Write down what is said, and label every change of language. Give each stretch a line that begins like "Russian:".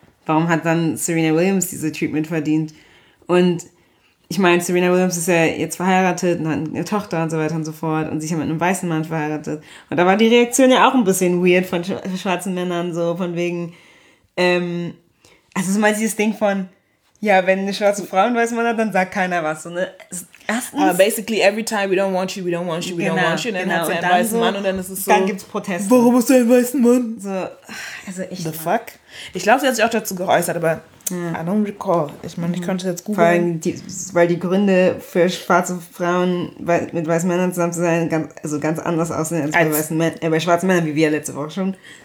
German: Warum hat dann Serena Williams diese Treatment verdient? Und ich meine, Serena Williams ist ja jetzt verheiratet und hat eine Tochter und so weiter und so fort und sich ja mit einem weißen Mann verheiratet. Und da war die Reaktion ja auch ein bisschen weird von schwarzen Männern, so von wegen, also so mal dieses Ding von, ja, wenn eine schwarze Frau einen weißen Mann hat, dann sagt keiner was. So, ne?
English: Erstens, basically every time we don't want you, we don't want you, we don't want you.
German: Und dann hat sie einen weißen Mann und dann ist es so. Dann gibt's Proteste. Warum hast du einen weißen Mann? So, also
English: the fuck?
German: Ich glaube, sie hat sich auch dazu geäußert, aber
English: I don't recall.
German: Ich meine, ich könnte jetzt googeln. Vor allem, weil die Gründe für schwarze Frauen mit weißen Männern zusammen zu sein ganz anders aussehen als bei weißen Männern, bei schwarzen Männern, wie wir letzte Woche schon.